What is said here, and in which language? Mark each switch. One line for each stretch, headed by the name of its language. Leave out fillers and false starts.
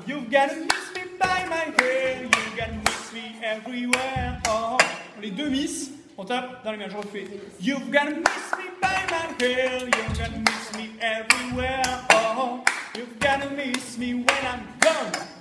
English: You've gotta miss me by my hair. You've gotta miss me everywhere. Oh.
French: Les deux miss, on tape dans les mains, je refais.
English: You've gotta miss me by my hair. You've gotta miss me everywhere. Oh. You've gotta miss me when I'm gone.